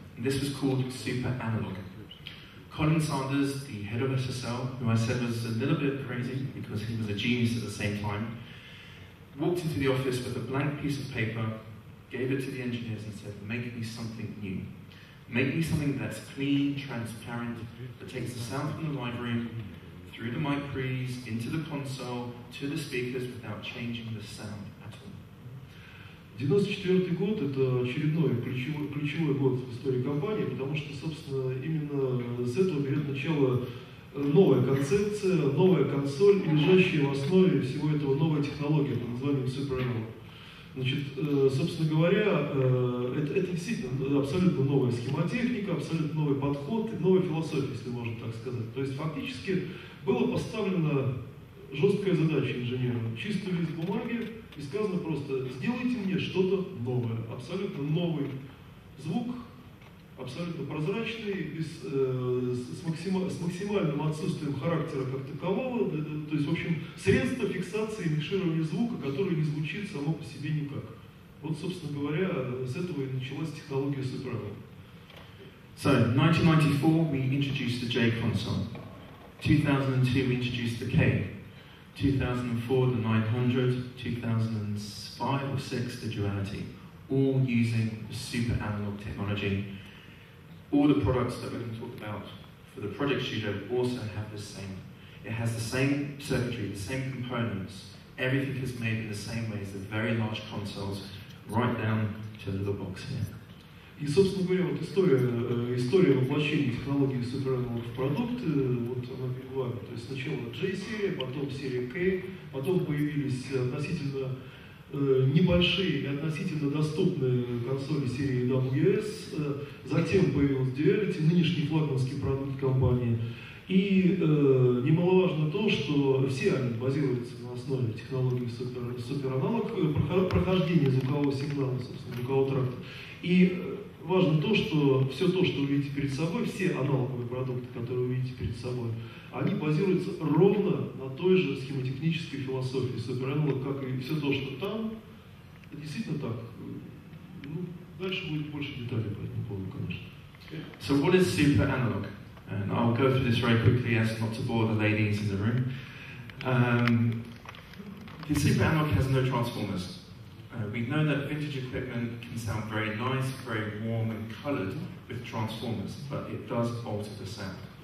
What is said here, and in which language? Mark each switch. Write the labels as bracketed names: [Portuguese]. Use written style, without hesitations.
[English] And this was called Super Analog. Colin Sanders, the head of SSL, who I said was a little bit crazy because he was a genius at the same time, walked into the office with a blank piece of paper, gave it to the engineers and said, make me something new. Make me something that's clean, transparent, that takes the sound from the library, through the mic pre's, into the console, to the speakers without changing the sound at all. [Russian] 1994 год – это очередной ключевой год в истории компании, потому что, собственно, именно с этого берет начало новая концепция, новая консоль, лежащая в основе всего этого новая технология под названием Super Analog. Значит, собственно говоря, это действительно абсолютно новая схемотехника, абсолютно новый подход, новая философия, если можно так сказать. То есть фактически была поставлена жесткая задача инженерам, чистый лист бумаги, и сказано просто, сделайте мне что-то новое, абсолютно новый звук, абсолютно прозрачный, без, с максимальным отсутствием характера как такового, то есть, в общем, средство фиксации и микширования звука, которое не звучит само по себе никак. Вот, собственно говоря, с этого и началась технология Super Analog. [English] So, 1994, we introduced the J console. 2002, we introduced the K. 2004, the 900. 2005 or 6, the Duality. All using the Super Analog technology. All the products that we're going to talk about for the Project Studio also have the same. It has the same circuitry, the same components. Everything is made in the same way as the very large consoles, right down to the little box here. [Russian] И, собственно говоря, вот история воплощения технологии Super Analog в продукт, вот она перед вами. То есть сначала J-серия, потом серия K, потом появились относительно небольшие и относительно доступные консоли серии WS, затем появилась Duality, нынешний флагманский продукт компании. И немаловажно то, что все они базируются на основе технологии Super Analog, прохождение звукового сигнала, собственно, звукового тракта. И важно то, что все то, что вы видите перед собой, все аналоговые продукты, которые вы видите перед собой, они базируются ровно на той же схемотехнической философии Super Analog, как и все то, что там. Действительно так. Ну, дальше будет больше деталей по этому поводу, конечно. [English] So what is Super Analog? And I'll go through this very quickly as not to bore the ladies in the room. The Super Analog has no transformers. We know that vintage equipment can sound very nice, very warm and colored with transformers, but it does alter the sound.